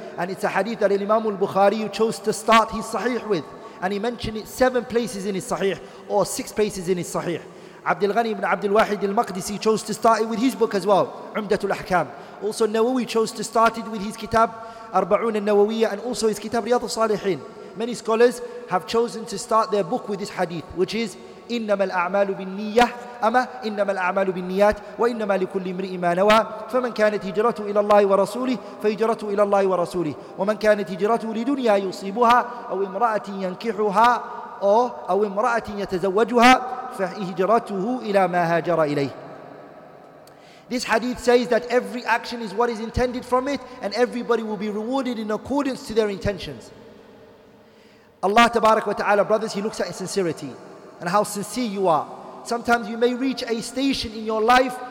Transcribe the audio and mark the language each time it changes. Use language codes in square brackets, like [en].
[en] And it's a hadith that Imam al-Bukhari chose to start his sahih with. And he mentioned it 7 places in his sahih or 6 places in his sahih. Abdul Ghani ibn Abdul Wahid al-Maqdisi chose to start it with his book as well, Umdatul Ahkam. Also Nawawi chose to start it with his kitab, Arba'un al-Nawawiyyah, and also his kitab, Riyadhus Salihin. Many scholars have chosen to start their book with this hadith, which is, [ar] إنما الأعمال بالنية أما إنما الأعمال بالنيات وإنما لكل امرئ ما نوى فمن كانت هجرته إلى الله ورسوله فهجرته إلى الله ورسوله ومن كانت هجرته لدنيا يصيبها أو امرأة ينكحها أو امرأة يتزوجها فهجرته إلى ما هاجر إليه. [en] This hadith says that every action is what is intended from it and everybody will be rewarded in accordance to their intentions. Allah [ar] تبارك وتعالى, [en] brothers, he looks at sincerity and how sincere you are. Sometimes you may reach a station in your life